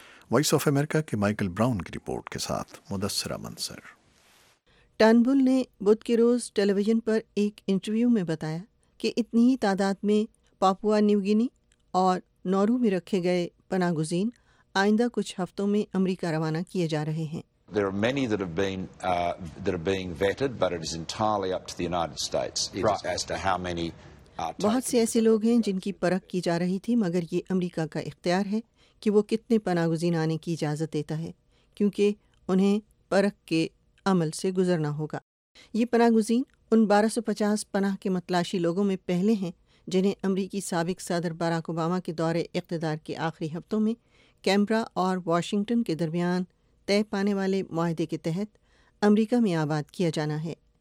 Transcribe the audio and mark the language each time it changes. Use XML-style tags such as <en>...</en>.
<ur>Voice of America کے Michael brown کی report کے ساتھ مدثرہ منصر. ٹرنبل نے بدھ کے روز ٹیلی ویژن پر ایک انٹرویو میں بتایا کہ اتنی ہی تعداد میں پاپوا نیو گینی اور نورو میں رکھے گئے پناہ گزین آئندہ کچھ ہفتوں میں امریکہ روانہ کیے جا رہے ہیں.</ur> <en>There are many that have been being vetted, but it is entirely up to the United States as to how many are taken.</en> <ur>بہت سے ایسے لوگ ہیں جن کی پرکھ کی جا رہی تھی، مگر یہ امریکہ کا اختیار ہے کہ وہ کتنے پناہ گزین آنے کی اجازت دیتا ہے، کیونکہ انہیں پرکھ کے عمل سے گزرنا ہوگا. یہ پناہ گزین ان 1250 پناہ کے متلاشی لوگوں میں پہلے ہیں جنہیں امریکی سابق صدر باراک اوباما کے دور اقتدار کے آخری ہفتوں میں کیمبرا اور واشنگٹن کے درمیان طے پانے والے معاہدے کے تحت امریکہ میں آباد کیا جانا ہے.</ur>